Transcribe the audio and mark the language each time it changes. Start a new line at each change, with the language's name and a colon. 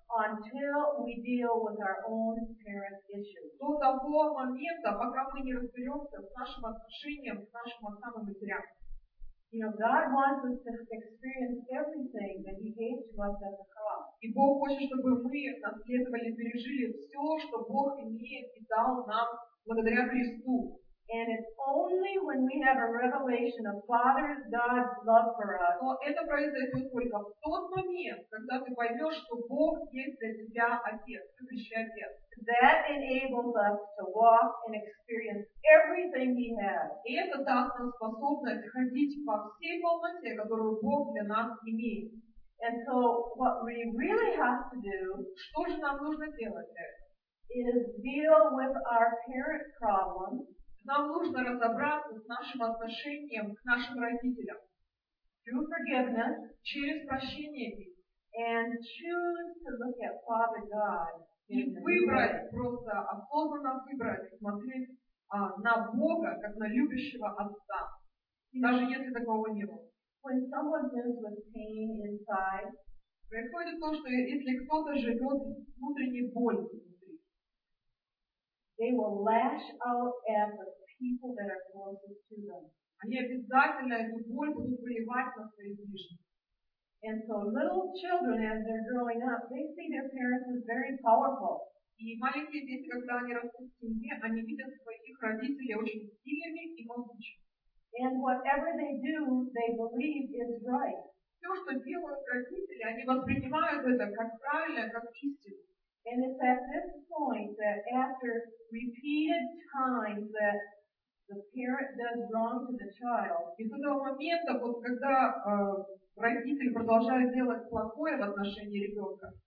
English: Until we deal with our own parent issues.
Russian: До того момента, пока мы не разберемся с нашим отношением к нашим отцам и матерям.
English: You know, God wants us to experience everything that He gave to us at the cross.
Russian: И Бог хочет, чтобы мы наследовали, пережили все, что Бог имеет и дал нам благодаря Христу.
English: And it's only when we have a revelation of Father God's love for us.
Russian: Но это произойдет только в тот момент, когда ты поймешь, что Бог есть для тебя Отец, любящий Отец.
English: That enables us to walk and experience everything He has.
Russian: И это даст нам способность ходить во всей полноте, которую Бог для нас имеет.
English: And so what we really have to do,
Russian: что же нам нужно делать,
English: is deal with our parent problems.
Russian: Нам нужно разобраться с нашим отношением к нашим родителям.
English: Through forgiveness,
Russian: через прощение их.
English: And choose to look at Father God.
Russian: И выбрать, просто осознанно выбрать, смотреть на Бога, как на любящего Отца. Даже если такого не было.
English: When someone lives with pain inside,
Russian: происходит то, что если кто-то живет внутренней болью внутри,
English: they will lash out at the people that are closest to them.
Russian: Они обязательно эту боль будут выливать на своих ближних.
English: And so little children, as they're growing up, they see their parents as very powerful.
Russian: И маленькие дети, когда они растут в семье, они видят своих родителей очень сильными и могучими.
English: And whatever they do, they believe is right.
Russian: Все, что делают родители, они воспринимают это как правильное, как истину.
English: And it's at this point that after repeated times that the parent does wrong to the child.
Russian: И с этого момента, вот когда родители продолжают делать плохое в отношении ребенка.